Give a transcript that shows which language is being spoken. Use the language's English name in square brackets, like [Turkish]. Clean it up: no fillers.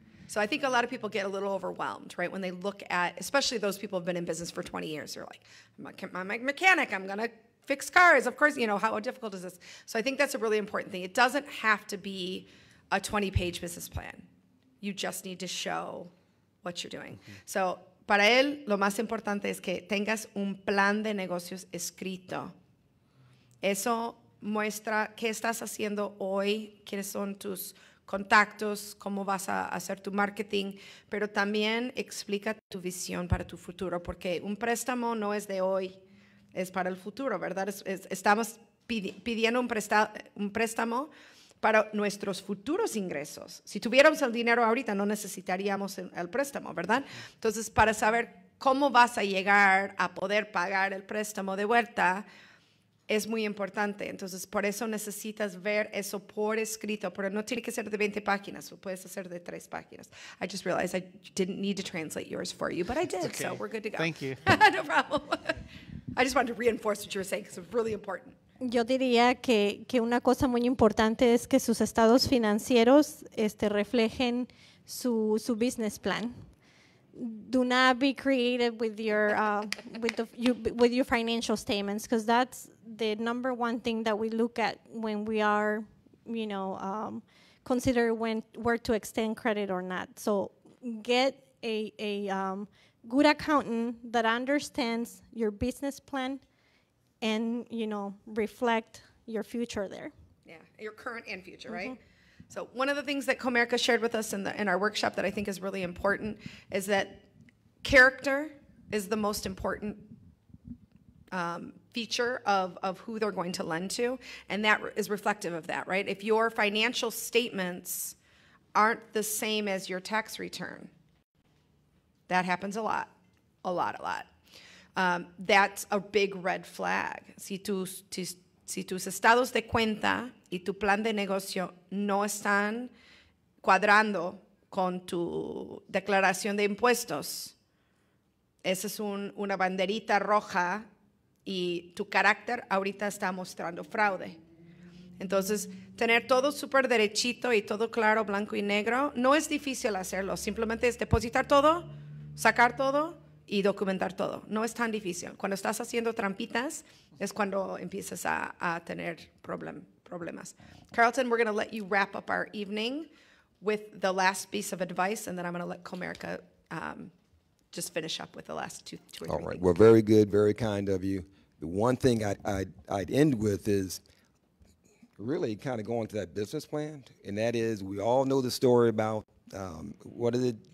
[English] So I think a lot of people get a little overwhelmed, right? When they look at, especially those people who've been in business for 20 years, they're like, I'm a mechanic, I'm going to fix cars. Of course, you know, how difficult is this? So I think that's a really important thing. It doesn't have to be a 20-page business plan. You just need to show what you're doing. Mm-hmm. [Spanish] So para él, lo más importante es que tengas un plan de negocios escrito. Eso muestra qué estás haciendo hoy, quiénes son tus contactos, cómo vas a hacer tu marketing, pero también explica tu visión para tu futuro, porque un préstamo no es de hoy, es para el futuro, ¿verdad? Estamos pidiendo un préstamo para nuestros futuros ingresos. Si tuviéramos el dinero ahorita, no necesitaríamos el préstamo, ¿verdad? Entonces, para saber cómo vas a llegar a poder pagar el préstamo de vuelta, es muy importante. Entonces, por eso necesitas ver eso por escrito. Pero no tiene que ser de 20 páginas. Puedes hacer de 3 páginas. [English] I just realized I didn't need to translate yours for you, but I did, okay. So we're good to go. Thank you. No problem. I just wanted to reinforce what you were saying because it's really important. [Spanish] Yo diría que una cosa muy importante es que sus estados financieros reflejen su business plan. [English] Do not be creative with your with your financial statements, because that's the number one thing that we look at when we are, you know, consider where to extend credit or not. So get a good accountant that understands your business plan and, you know, reflect your future there. Yeah, your current and future, mm-hmm. Right? So one of the things that Comerica shared with us in our workshop that I think is really important is that character is the most important feature of who they're going to lend to, and that is reflective of that, right? If your financial statements aren't the same as your tax return, that happens a lot. That's a big red flag. [Spanish] Si tus estados de cuenta y tu plan de negocio no están cuadrando con tu declaración de impuestos, esa es una banderita roja y tu carácter ahorita está mostrando fraude. Entonces, tener todo súper derechito y todo claro, blanco y negro, no es difícil hacerlo. Simplemente es depositar todo, sacar todo y documentar todo. No es tan difícil. Cuando estás haciendo trampitas, es cuando empiezas a tener problemas. [English] Carlton, we're going to let you wrap up our evening with the last piece of advice, and then I'm going to let Comerica just finish up with the last two or three. All right. Well, very good. Very kind of you. The one thing I'd end with is really kind of going to that business plan, and that is we all know the story about what is it?